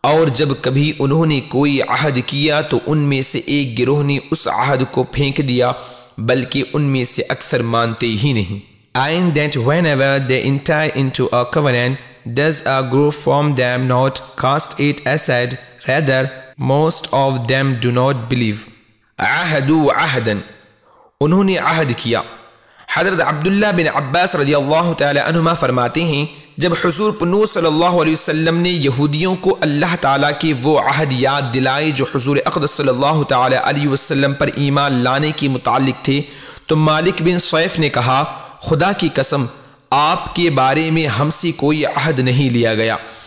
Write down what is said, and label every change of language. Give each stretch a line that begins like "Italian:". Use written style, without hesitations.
Urdu: اور جب کبھی انہوں نے کوئی عہد کیا تو ان میں سے ایک گروہ نے اس عہد کو پھینک دیا، بلکہ ان میں سے اکثر مانتے ہی نہیں۔
English: And that whenever they enter into a covenant, does a group from them not cast it aside? Rather, most of them do not believe.
Arabic: عہدوا عہدا،
Urdu: انہوں نے عہد کیا۔ حضرت عبداللہ بن عباس رضی اللہ تعالی عنہما فرماتے ہیں، جب حضور پنوس صلی اللہ علیہ وسلم نے یہودیوں کو اللہ تعالیٰ کے وہ عہد یاد دلائے جو حضور اقدس صلی اللہ تعالیٰ علیہ وسلم پر ایمان لانے کے متعلق تھے، تو مالک بن صیف نے کہا، خدا کی قسم آپ کے بارے میں ہم سے کوئی عہد نہیں لیا گیا۔